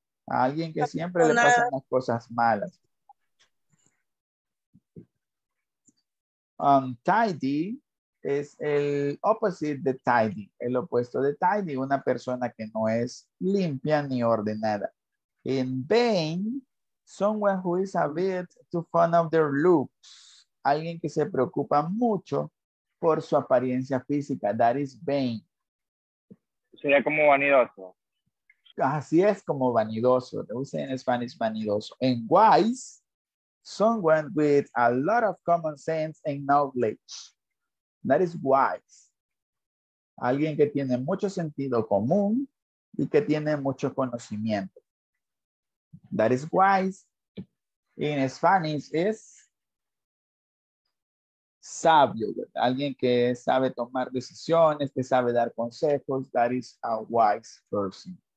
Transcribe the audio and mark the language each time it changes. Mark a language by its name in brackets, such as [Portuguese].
[Spanish] A alguien que siempre le pasan las cosas malas. Tidy es el opposite de tidy. El opuesto de tidy. Una persona que no es limpia ni ordenada. [English] In vain, someone who is a bit too fond of their looks. [Spanish] Alguien que se preocupa mucho por su apariencia física. [English] That is vain. [Spanish] Sería como vanidoso. Así es, como vanidoso. Lo usé en Spanish, vanidoso. [English] En wise, someone with a lot of common sense and knowledge. That is wise. [Spanish] Alguien que tiene mucho sentido común y que tiene mucho conocimiento. [English] That is wise. In Spanish is [Spanish] sabio, alguien que sabe tomar decisiones, que sabe dar consejos, [English] that is a wise person.